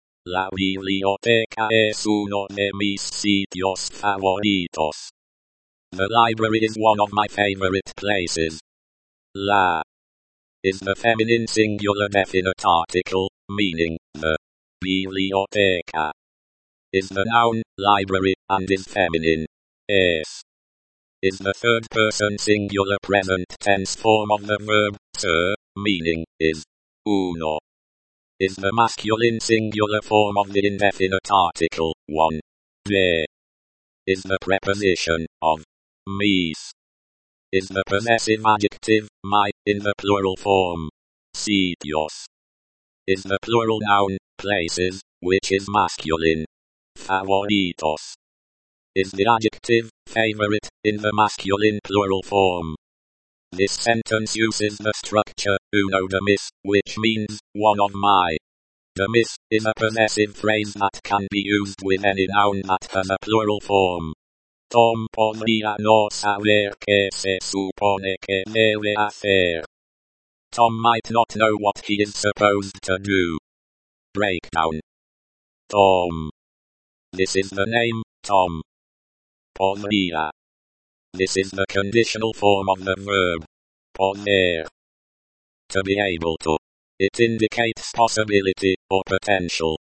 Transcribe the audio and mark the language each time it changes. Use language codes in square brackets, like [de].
[es] La biblioteca es uno de mis sitios favoritos. [en] The library is one of my favorite places. La is the feminine singular definite article, meaning the. Biblioteca is the noun, library, and is feminine. Es is the third person singular present tense form of the verb ser, meaning is. Uno is the masculine singular form of the indefinite article, one. De is the preposition of. Mis is the possessive adjective, my, in the plural form. Sitios is the plural noun, places, which is masculine. Favoritos is the adjective, favorite, in the masculine plural form. This sentence uses the structure, [es] uno de mis, [en] which means, one of my. De mis is a possessive phrase that can be used with any noun that has a plural form. [es] Tom podría no saber qué se supone que debe hacer. [en] Tom might not know what he is supposed to do. Breakdown. Tom. This is the name, Tom. Podría. This is the conditional form of the verb. Poder. To be able to. It indicates possibility or potential.